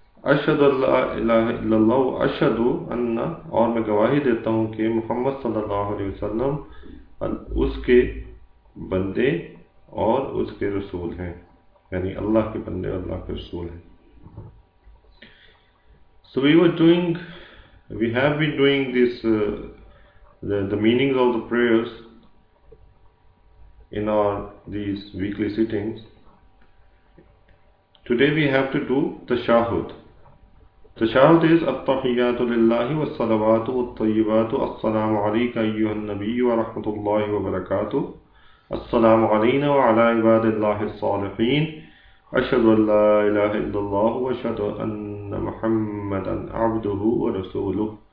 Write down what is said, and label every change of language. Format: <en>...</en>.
<ar>اشہد اللہ الہ الا اللہ اشہد ان،</ar> <ur>اور میں گواہی دیتا ہوں کہ محمد صلی اللہ علیہ وسلم اس کے بندے اور اس کے رسول ہیں، یعنی اللہ کے بندے اور اللہ کے رسول ہیں.</ur> <en>So we were doing, we have been doing this the meaning of the prayers in our these weekly sittings. Today we have to do تشہد.</en> <ar>تشہد از التحیات للہ والصلوات والطیبات، السلام علیک ایہا النبی ورحمۃ اللہ وبرکاتہ، السلام علینا وعلی عباد اللہ الصالحین، اشہد ان لا الہ الا اللہ واشہد ان محمدا عبدہ ورسولہ.</ar>